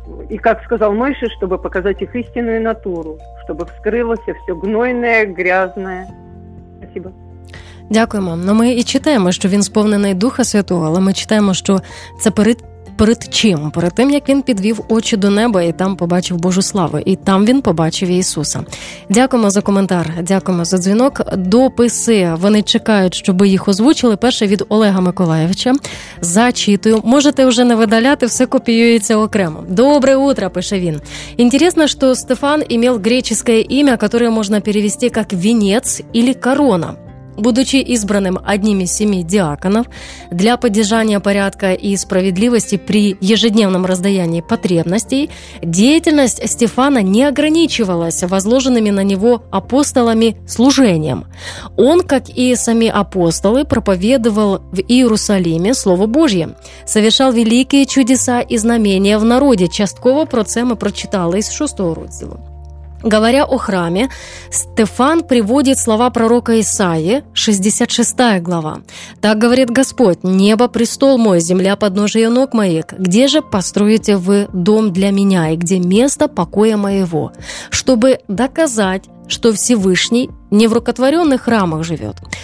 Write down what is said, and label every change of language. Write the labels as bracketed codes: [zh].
[ru] И как сказал Мойша, чтобы показать их истинную натуру, чтобы вскрылось все гнойное, грязное. Спасибо. [uk] Дякуємо. Ми і читаємо, що він сповнений Духа Святого, але ми читаємо, що це перед чим? Перед тим, як він підвів очі до неба і там побачив Божу славу. І там він побачив Ісуса. Дякуємо за коментар, дякуємо за дзвінок. Дописи, вони чекають, щоб їх озвучили. Перше від Олега Миколаєвича. Зачитую. Можете вже не видаляти, все копіюється окремо. Добре утро, пише він. Інтересно, що Стефан [ru] імел греческое [uk] ім'я, яке можна перевести як вінець або корона. [ru] Будучи избранным одним из семи диаконов, для поддержания порядка и справедливости при ежедневном раздаянии потребностей, деятельность Стефана не ограничивалась возложенными на него апостолами служением. Он, как и сами апостолы, проповедовал в Иерусалиме Слово Божье, совершал великие чудеса и знамения в народе. [uk] Частково про це ми прочитали із 6-го розділу. [ru] Говоря о храме, Стефан приводит слова пророка Исаии, 66 глава. «Так говорит Господь, небо – престол мой, земля – подножие ног моих. Где же построите вы дом для меня, и где место покоя моего? Чтобы доказать, что Всевышний не в рукотворенных храмах живет».